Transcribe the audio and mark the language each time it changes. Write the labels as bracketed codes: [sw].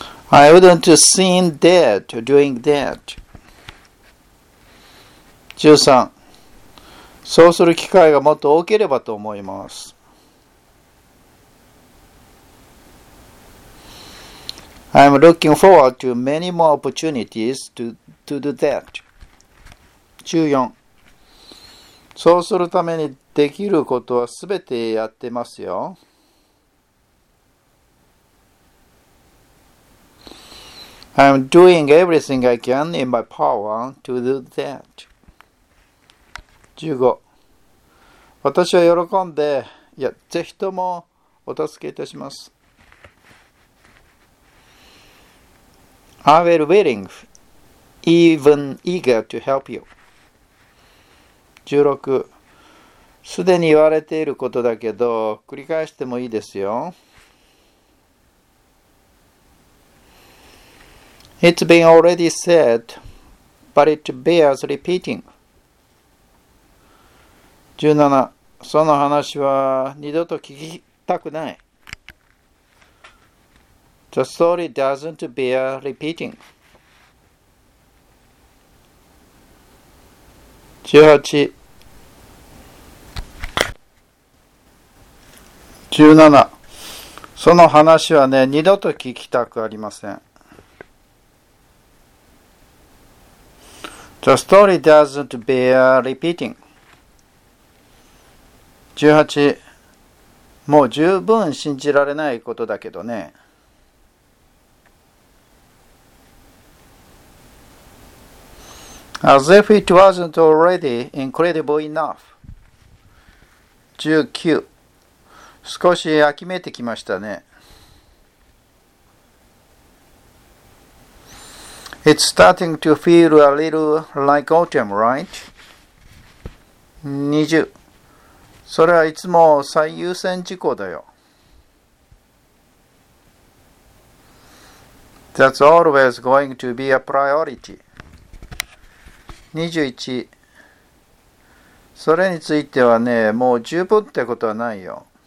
[en] I wouldn't seem dead doing that。 [ja] 13、そうする機会がもっと多ければと思います。 [en] I'm looking forward to many more opportunities to do that。 [ja] 14、そうするためにできることはすべてやってますよ。 [en] I'm doing everything I can in my power to do that。 [ja] 15、私は喜んで、いや、ぜひともお助けいたします。 [en] I will willing, even eager to help you。 [ja] 16、すでに言われていることだけど、繰り返してもいいですよ。 [en] It's been already said, but it bears repeating。 [ja] 17、その話は二度と聞きたくない。 [en] The story doesn't bear repeating。 [ja] 18、 17、 その話はね、二度と聞きたくありません。 [en] The story doesn't bear repeating。 [ja] 18、 もう十分信じられないことだけどね。 [en] As if it wasn't already incredible enough。 [ja] 19、少し呆めてきましたね。 [en] It's starting to feel a little like autumn, right？ [ja] 20、それはいつも最優先事項だよ。 [en] That's always going to be a priority。 [ja] 21、それについてはね、もう十分ってことはないよ。